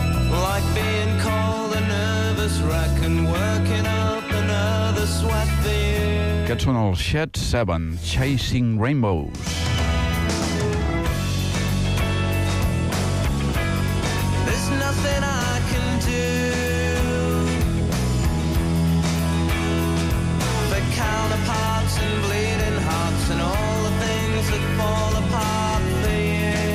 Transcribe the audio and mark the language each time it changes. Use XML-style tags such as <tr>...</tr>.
<en>Like being called a nervous wreck and working up another sweat there.</en> <ca>Aquests són els Shed 7, Chasing Rainbows.</ca> <en>There's nothing I can do but counterparts and bleeding hearts and all the things that fall apart for you.</en>